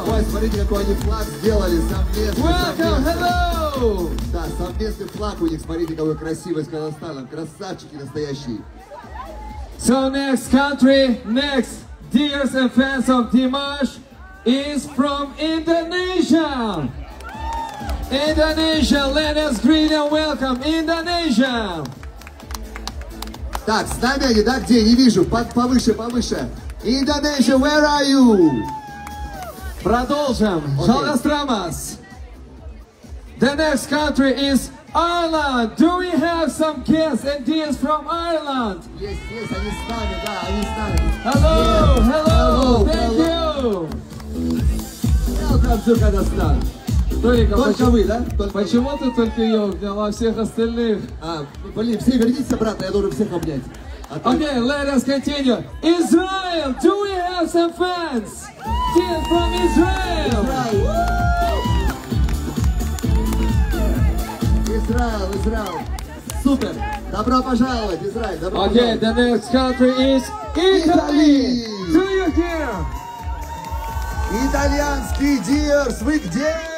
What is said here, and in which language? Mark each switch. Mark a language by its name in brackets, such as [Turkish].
[Russian] Смотрите, какой они флаг сделали совместно. [English] Welcome, hello! [Russian] Да, совместный флаг у них. Смотрите, какой красивый с Казахстаном. Красавчики настоящие. [English] So next country, next dears and fans of Dimash is from Indonesia. Indonesia, let us greet and welcome Indonesia. [Russian] Так, с нами они, да, где? Не вижу. Повыше, повыше. [English] Indonesia, where are you? [Russian] Продолжим. Халас Рамас. [English] The next country is Ireland. Do we have some guests and dears from Ireland? Yes, yes, [Russian] они с нами, да, они с нами. [English] Hello, yes. hello, thank you. Welcome to Kazakhstan. [Russian] Только почему, вы, да? Только почему вы. Ты только ее взял, а всех остальных? А, блин, все вернитесь обратно, я должен всех обнять. [English] Okay, let us continue. Israel, do we have some fans? Team from Israel. Israel. Super. [Russian] Добро пожаловать, Израиль. Добро пожаловать. [English] Okay, the next country is Italy. Do you hear? [Russian] Итальянские dears, вы где?